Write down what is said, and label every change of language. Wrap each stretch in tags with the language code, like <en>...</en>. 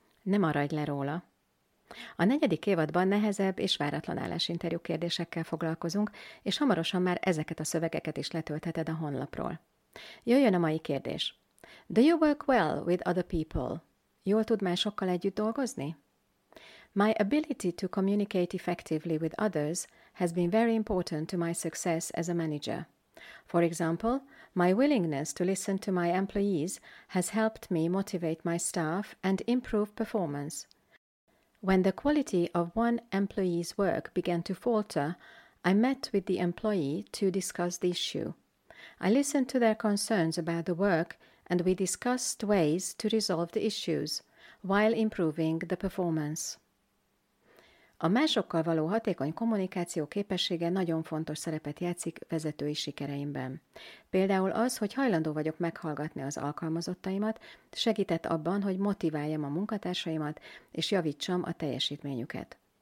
<hu>Ne maradj le róla! A 4. évadban nehezebb és váratlan állásinterjú kérdésekkel foglalkozunk, és hamarosan már ezeket a szövegeket is letöltheted a honlapról. Jöjjön a mai kérdés.</hu> <en>Do you work well with other people?</en> <hu>Jól tud másokkal együtt dolgozni?</hu> <en>My ability to communicate effectively with others has been very important to my success as a manager. For example, my willingness to listen to my employees has helped me motivate my staff and improve performance. When the quality of one employee's work began to falter, I met with the employee to discuss the issue. I listened to their concerns about the work and we discussed ways to resolve the issues, while improving the performance.</en> <hu>A másokkal való hatékony kommunikáció képessége nagyon fontos szerepet játszik vezetői sikereimben. Például az, hogy hajlandó vagyok meghallgatni az alkalmazottaimat, segített abban, hogy motiváljam a munkatársaimat és javítsam a teljesítményüket.</hu>